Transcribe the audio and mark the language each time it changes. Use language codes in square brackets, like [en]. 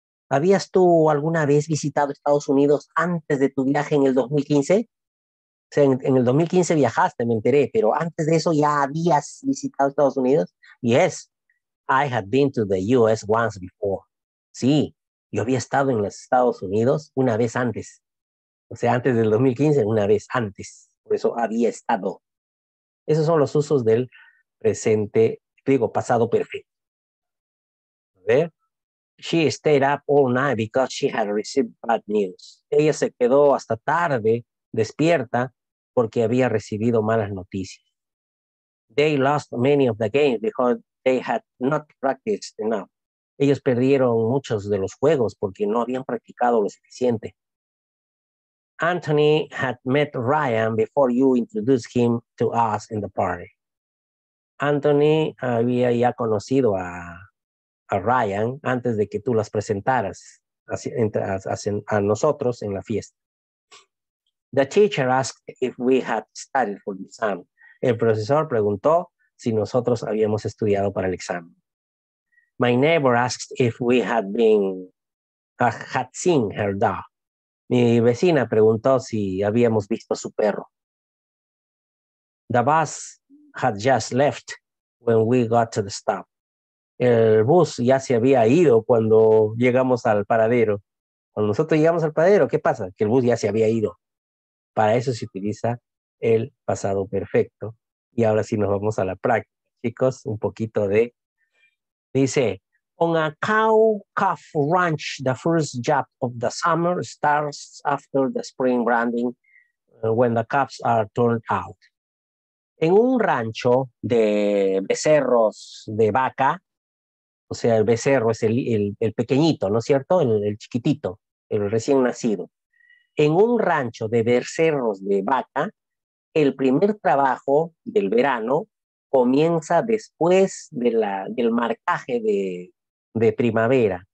[es] ¿Habías tú alguna vez visitado Estados Unidos antes de tu viaje en el 2015? O sea, en el 2015 viajaste, me enteré, pero antes de eso ya habías visitado Estados Unidos. [en] Yes, I had been to the US once before. [es] Sí, yo había estado en los Estados Unidos una vez antes. O sea, antes del 2015, una vez antes. Por eso había estado. Esos son los usos del presente, digo, pasado perfecto. A ver. [en] She stayed up all night because she had received bad news. [es] Ella se quedó hasta tarde, despierta, porque había recibido malas noticias. [en] They lost many of the games because they had not practiced enough. [es] Ellos perdieron muchos de los juegos porque no habían practicado lo suficiente. [en] Anthony had met Ryan before you introduced him to us in the party. [es] Anthony había ya conocido a Ryan antes de que tú las presentaras a nosotros en la fiesta. [en] The teacher asked if we had studied for the exam. [es] El profesor preguntó si nosotros habíamos estudiado para el examen. [en] My neighbor asked if we had been had seen her dog. [es] Mi vecina preguntó si habíamos visto a su perro. [en] The bus had just left when we got to the stop. [es] El bus ya se había ido cuando llegamos al paradero. Cuando nosotros llegamos al paradero, ¿qué pasa? Que el bus ya se había ido. Para eso se utiliza el pasado perfecto. Y ahora sí nos vamos a la práctica, chicos. Un poquito de... Dice... [en] On a cow-calf ranch, the first job of the summer starts after the spring branding when the calves are turned out. [es] En un rancho de becerros de vaca, o sea, el becerro es el pequeñito, ¿no es cierto? El chiquitito, el recién nacido. En un rancho de becerros de vaca, el primer trabajo del verano comienza después del marcaje de primavera.